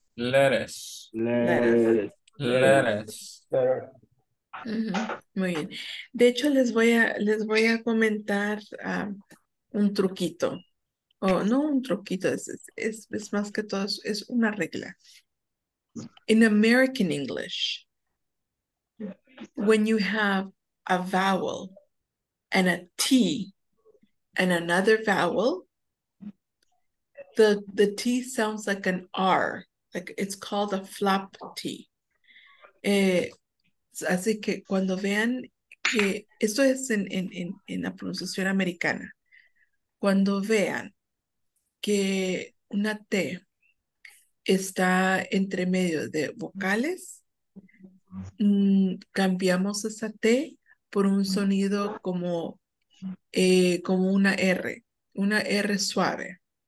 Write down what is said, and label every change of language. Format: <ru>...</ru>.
<en>Lettuce. Lettuce. Lettuce. Lettuce. Lettuce.</en> <es>Uh-huh. Muy bien. De hecho, les voy a comentar un truquito. Oh, no un truquito, es más que todo, es una regla.</es> <en>In American English, when you have a vowel and a T and another vowel, the T sounds like an R, like it's called a flap T.</en> <es>Así que cuando vean que esto es en la pronunciación americana, cuando vean que una T está entre medio de vocales, cambiamos esa T por un sonido como una R suave.</es>